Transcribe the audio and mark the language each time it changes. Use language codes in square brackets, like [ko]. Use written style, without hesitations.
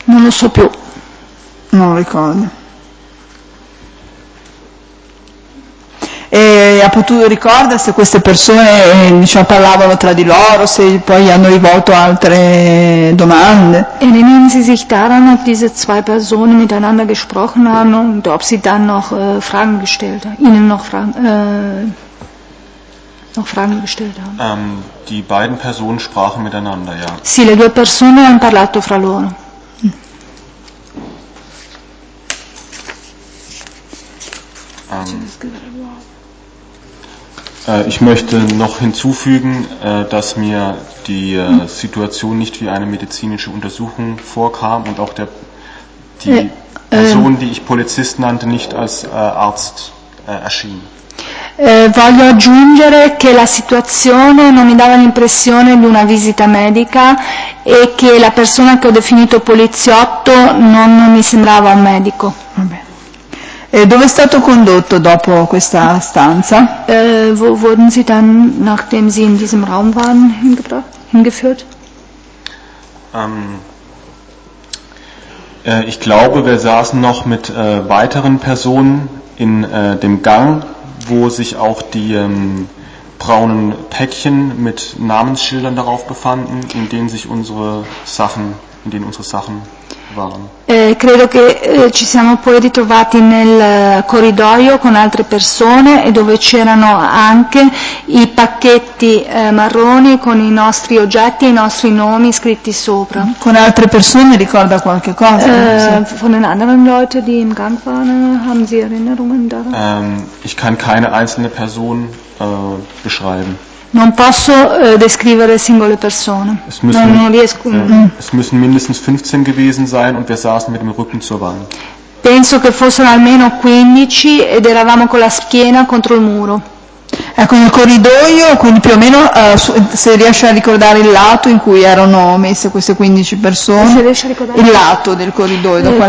[it] Non lo so più, non lo ricordo. E ha potuto ricordare se queste persone, diciamo, parlavano tra di loro, se poi hanno rivolto altre domande? [de] Erinnern Sie sich daran, ob diese zwei Personen miteinander gesprochen haben und ob sie dann noch Fragen gestellt haben, ihnen noch Fragen gestellt haben? Die beiden Personen sprachen miteinander, ja. [it] Sì, le due persone hanno parlato fra loro. [de] Ich möchte noch hinzufügen, dass mir die Situation nicht wie eine medizinische Untersuchung vorkam und auch die Person, die ich Polizist nannte, nicht als Arzt erschien. [it] Voglio aggiungere che la situazione non mi dava l'impressione di una visita medica e che la persona che ho definito poliziotto non mi sembrava un medico. Vabbè. E dove è stato condotto dopo questa stanza? [de] Wo wurden Sie dann, nachdem Sie in diesem Raum waren, hingeführt? Ich glaube, wir saßen noch mit weiteren Personen in dem Gang, wo sich auch die braunen Päckchen mit Namensschildern darauf befanden, in denen sich unsere Sachen, in denen unsere Sachen waren. [it] Credo che ci siamo poi ritrovati nel corridoio con altre persone e dove c'erano anche i pacchetti marroni con i nostri oggetti e i nostri nomi scritti sopra. Con altre persone ricorda qualche cosa? [de] Von den anderen Leuten, die im Gang waren, haben Sie Erinnerungen daran? Ich kann keine einzelne Person beschreiben. [it] Non posso descrivere singole persone. [de] Es müssen mindestens 15 gewesen sein und wir saßen mit dem Rücken zur Wand. [it] Penso che fossero almeno 15 ed eravamo con la schiena contro il muro. Ecco, nel corridoio, quindi più o meno, se riesce a ricordare il lato in cui erano messe queste 15 persone. Se riesce a ricordare il lato del corridoio, da qual